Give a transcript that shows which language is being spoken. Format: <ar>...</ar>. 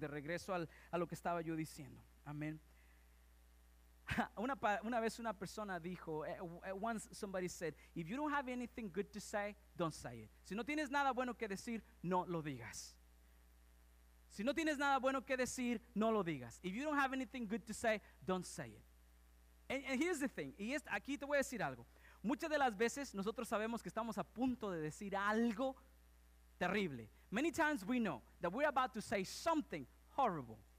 <es>De regreso a lo que estaba yo diciendo. Amen. Una vez una persona dijo,</es> <en>once somebody said, if you don't have anything good to say, don't say it.</en> <es>Si no tienes nada bueno que decir, no lo digas. Si no tienes nada bueno que decir, no lo digas.</es> <en>If you don't have anything good to say, don't say it. And here's the thing,</en> <es>y aquí te voy a decir algo. Muchas de las veces nosotros sabemos que estamos a punto de decir algo terrible.</es> <en>Many times we know that we're about to say something horrible.</en>